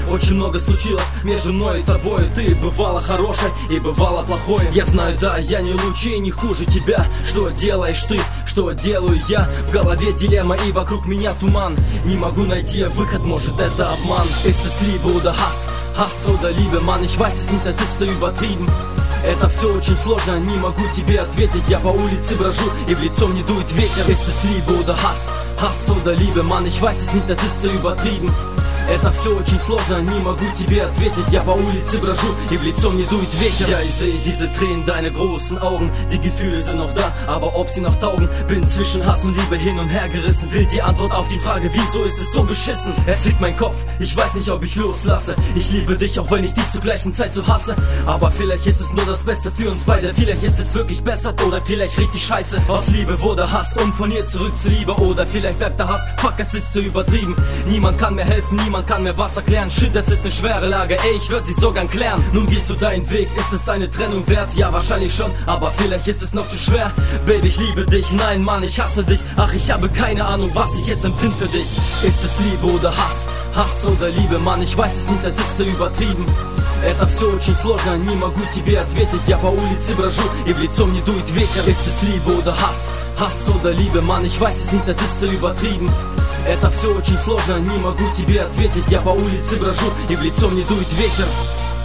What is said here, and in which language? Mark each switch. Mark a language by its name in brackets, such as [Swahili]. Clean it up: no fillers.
[Russian] Очень много случилось между мной и тобой. Ты бывала хорошей и бывала плохой. Я знаю, да, я не лучше и не хуже тебя. Что делаешь ты, что делаю я? В голове дилемма и вокруг меня туман. Не могу найти выход, может это обман. [German] Ist es Liebe oder Hass? Hass oder Liebe? Mann, ich weiß es nicht, das ist so übertrieben. [Russian] Это все очень сложно, не могу тебе ответить. Я по улице брожу и в лицо мне дует ветер. [German] Ist es Liebe oder Hass? Hass oder Liebe? Mann, ich weiß es nicht, das ist so übertrieben. [Russian] Это все очень сложно, не могу тебе ответить. Я по улице брожу и в лицо мне дует ветер. Я и [German] sehe diese Tränen, deine großen Augen. Die Gefühle sind noch da, aber ob sie noch taugen. Bin zwischen Hass und Liebe hin und her gerissen. Will die Antwort auf die Frage, wieso ist es so beschissen. Es fickt mein Kopf, ich weiß nicht, ob ich loslasse. Ich liebe dich, auch wenn ich dich zur gleichen Zeit so hasse. Aber vielleicht ist es nur das Beste für uns beide. Vielleicht ist es wirklich besser oder vielleicht richtig scheiße. Aus Liebe wurde Hass und von ihr zurück zu Liebe. Oder vielleicht bleibt der Hass, fuck, es ist so übertrieben. Niemand kann mir helfen, niemand kann mir was erklären. Shit, das ist ne schwere Lage. Ey, ich würd sie sogar klären. Nun gehst du deinen Weg. Ist es eine Trennung wert? Ja, wahrscheinlich schon. Aber vielleicht ist es noch zu schwer. Baby, ich liebe dich. Nein, Mann, ich hasse dich. Ach, ich habe keine Ahnung, was ich jetzt empfinde für dich. Ist es Liebe oder Hass? Hass oder Liebe? Mann, ich weiß es nicht, das ist so übertrieben. [Russian] Это все очень сложно, не могу тебе ответить. Я по улице брожу и в лицо мне дует ветер. [German] Ist es Liebe oder Hass? Hass oder Liebe? Mann, ich weiß es nicht, das ist so übertrieben. [Russian] Это все очень сложно, не могу тебе ответить. Я по улице брожу и в лицо мне дует ветер.